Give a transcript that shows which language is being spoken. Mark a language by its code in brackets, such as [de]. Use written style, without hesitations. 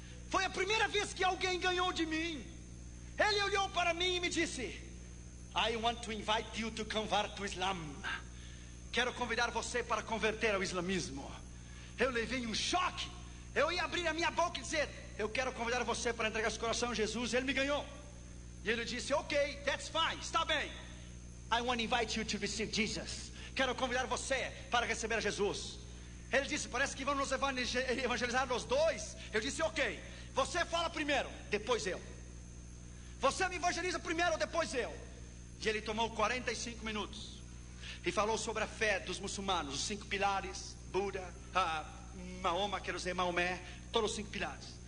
[pt] Foi a primeira vez que alguém ganhou de mim. Ele olhou para mim e me disse: [en] I want to invite you to convert to Islam. [pt] Quero convidar você para converter ao islamismo. Eu levei um choque. Eu ia abrir a minha boca e dizer: eu quero convidar você para entregar seu coração a Jesus. Ele me ganhou. E ele disse: ok, [en] that's fine, [pt] está bem. [en] I want to invite you to receive Jesus. [pt] Quero convidar você para receber Jesus. Ele disse: parece que vamos evangelizar os dois. Eu disse: ok, você fala primeiro, depois eu. Você me evangeliza primeiro, depois eu. E ele tomou 45 minutos e falou sobre a fé dos muçulmanos, os cinco pilares, Buda, Maoma, quero dizer Maomé, todos os cinco pilares.